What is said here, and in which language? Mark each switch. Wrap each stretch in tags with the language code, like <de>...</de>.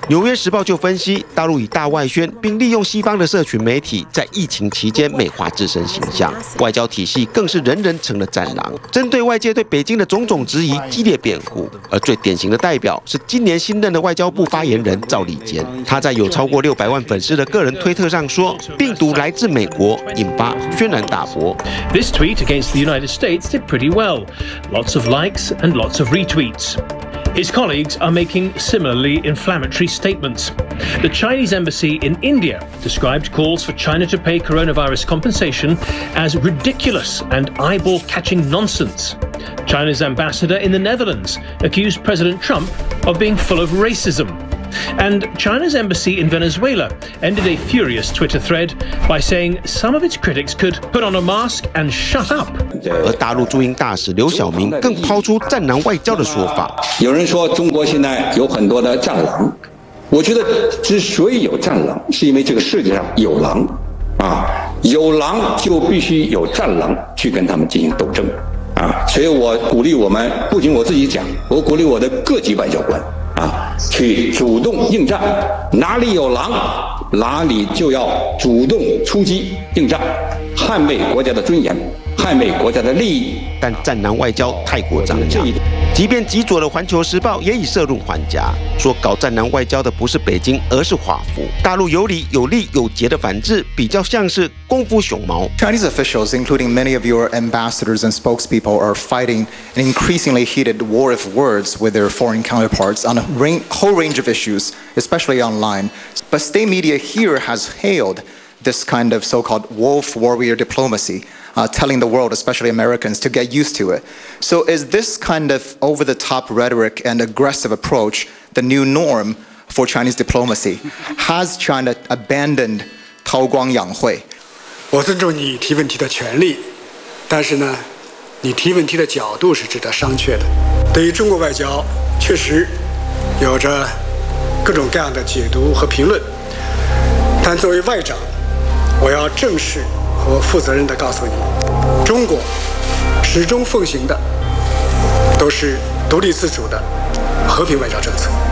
<zh>纽约时报就分析，大陆已大外宣，并利用西方的社群媒体在疫情期间美化自身形象，外交体系更是人人成了战狼，针对外界对北京的种种质疑激烈辩护。而最典型的代表是今年新任的外交部发言人赵立坚，他在有超过600万粉丝的个人推特上说，病毒来自美国，引发轩然大波。</zh> <en>This tweet against the United States did pretty well. Lots of likes and lots of retweets. His colleagues are making similarly inflammatory statements. The Chinese embassy in India described calls for China to pay coronavirus compensation as ridiculous and eyeball-catching nonsense. China's ambassador in the Netherlands accused President Trump of being full of racism. And China's embassy in Venezuela ended a furious Twitter thread by saying some of its critics could put on a mask and shut up.</en> <zh>而大陆驻英大使刘晓明更抛出“战狼外交”的说法。有人说中国现在有很多的战狼，我觉得之所以有战狼，是因为这个世界上有狼，啊，有狼就必须有战狼去跟他们进行斗争，啊，啊，所以我鼓励我们，不仅我自己讲，我鼓励我的各级外交官啊，去主动应战，哪里有狼，哪里就要主动出击应战，捍卫国家的尊严，捍卫国家的利益。但战狼外交太过张扬，即便极左的《环球时报》也已涉入还家，说搞战狼外交的不是北京，而是华府。大陆有理有利有节的反制，比较像是功夫熊猫。</zh> <en>Chinese officials, including many of your ambassadors and spokespeople, are fighting an increasingly heated war of words with their foreign counterparts on a whole range of issues, especially online. But state media here has hailed this kind of so-called wolf warrior diplomacy. Telling the world, especially Americans, to get used to it. So is this kind of over-the-top rhetoric and aggressive approach the new norm for Chinese diplomacy? Has China abandoned Tao Guang Yang Hui?</en> <zh>我尊重你提问题的权利，但是呢，你提问题的角度是值得商榷的。对于中国外交，确实有着各种各样的解读和评论，但作为外长，我要正视我负责任地告诉你，中国始终奉行的都是独立自主的和平外交政策。</zh>